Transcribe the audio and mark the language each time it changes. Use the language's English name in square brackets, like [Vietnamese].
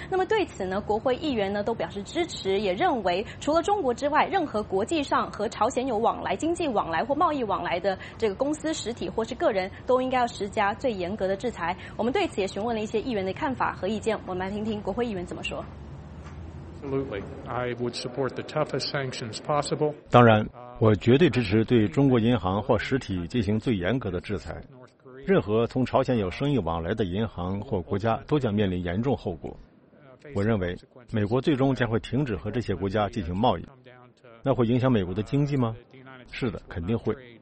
[Chinese] 那么对此呢，国会议员呢都表示支持，也认为除了中国之外，任何国际上和朝鲜有往来、经济往来或贸易往来的这个公司、实体或是个人，都应该要施加最严格的制裁。我们对此也询问了一些议员的看法和意见，我们来听听国会议员怎么说。 [English] I would support the toughest sanctions possible. [Chinese] 当然，我绝对支持对中国银行或实体进行最严格的制裁。任何从朝鲜有生意往来的银行或国家都将面临严重后果。我认为美国最终将会停止和这些国家进行贸易，那会影响美国的经济吗？是的，肯定会。